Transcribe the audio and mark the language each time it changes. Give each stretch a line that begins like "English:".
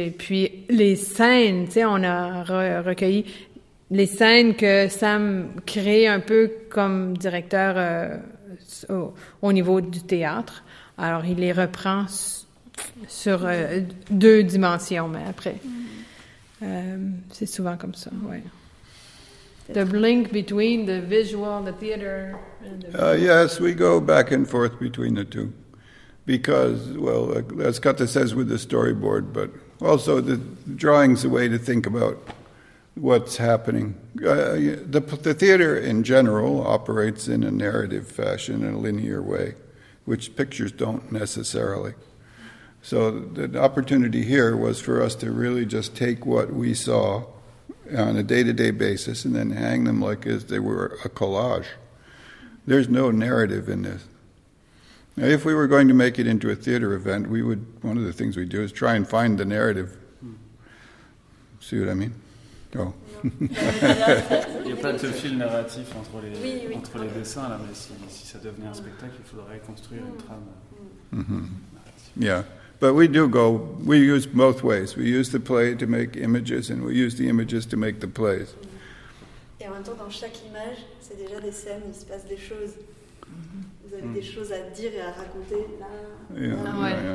French: Et puis, les scènes, tu sais, on a recueilli les scènes que Sam crée un peu comme directeur au niveau du théâtre. Alors, il les reprend sur deux dimensions, mais après. C'est souvent comme ça, oui.
English: The link between the visual, the theater, and the... Yes, we go back and forth between the two. Because, well, as Katja says with the storyboard, but also the drawing's a way to think about what's happening. The theater in general operates in a narrative fashion, in a linear way, which pictures don't necessarily. So the opportunity here was for us to really just take what we saw on a day-to-day basis and then hang them like as they were a collage. There's no narrative in this. Now, if we were going to make it into a theater event, one of the things we'd do is try and find the narrative. See what I mean? Oh.
French: Il n'y a pas de fil narratif entre les, oui, oui, entre les dessins, là, mais si ça devenait un spectacle, il faudrait construire une trame. Mm-hmm.
English: Yeah, but we do go, we use both ways. We use the play to make images, and we use the images to make the plays.
French: Et en même temps, dans chaque image, c'est déjà des scènes, il se passe des choses. Mm-hmm. Vous avez des choses à dire et à raconter là.